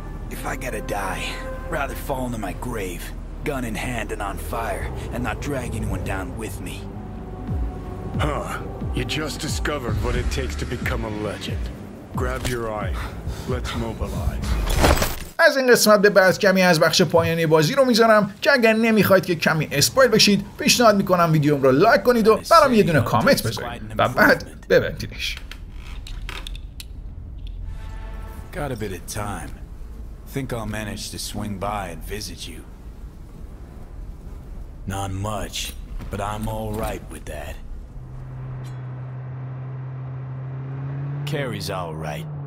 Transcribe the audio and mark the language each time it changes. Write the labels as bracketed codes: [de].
[en] If I gotta die, rather fall into my grave, gun in hand and on fire, and not drag anyone down with me. Huh, you just discovered what it takes to become a legend. Grab your eye. Let's mobilize. [fa] از این قسمت به بعد کمی از بخش پایانی بازی رو میذارم، که اگر نمیخواید که کمی اسپویل بشید پیشنهاد میکنم ویدیوم رو لایک کنید و برام یه دونه کامنت بذارید و بعد ببندینش. [en] Got a bit of time. Think I'll manage to swing by and visit you. Not much, but I'm all right with that. Carrie's all right.